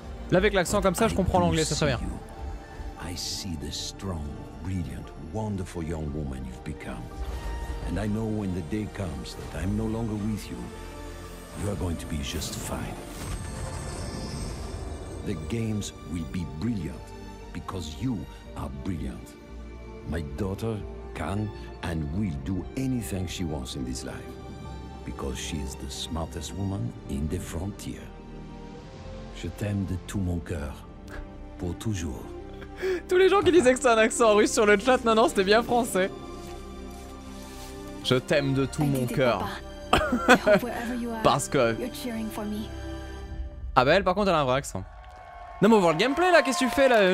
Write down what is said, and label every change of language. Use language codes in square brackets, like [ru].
[fr] Là, avec l'accent comme ça, je comprends l'anglais, ça serait bien. [en] I see the strong, brilliant, wonderful young woman you've become. And I know when the day comes that I'm no longer with you, you are going to be just fine. The games will be brilliant because you are brilliant. My daughter can and will do anything she wants in this life. Because she is the smartest woman in the frontier. [fr] Je t'aime de tout mon cœur, pour toujours. Tous les gens qui disaient que c'est un accent russe sur le chat, non, non, c'était bien français. Je t'aime de tout mon cœur. Parce que... Ah bah elle, par contre, elle a un vrai accent. Non, mais on voit le gameplay là, qu'est-ce que tu fais là?